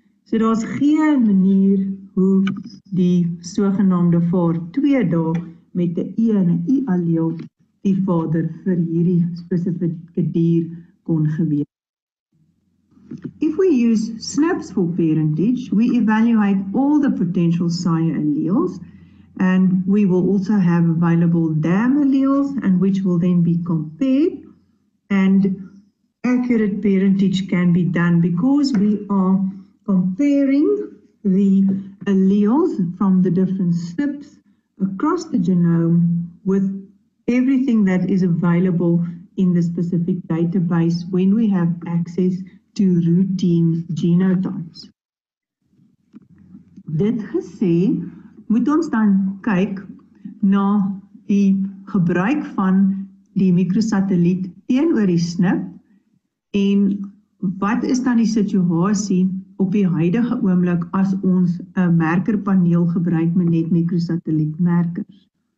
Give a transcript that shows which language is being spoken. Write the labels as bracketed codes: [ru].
[af] So daar is geen manier hoe die sogenaamde var 2 daar met die E en die I allele die vader vir hierdie spesifieke dier kon gewees. [en] If we use SNPs for parentage, we evaluate all the potential sire alleles, and we will also have available dam alleles, and which will then be compared, and accurate parentage can be done because we are comparing the alleles from the different SNPs across the genome with everything that is available in the specific database when we have access to routine genotypes. [af] Dit gesê, moet ons dan kyk na die gebruik van die mikrosatelliet teenoor die SNP en wat is dan die situasie op die huidige oomblik as ons 'n merkerpaneel gebruik met net mikrosatellietmerkers.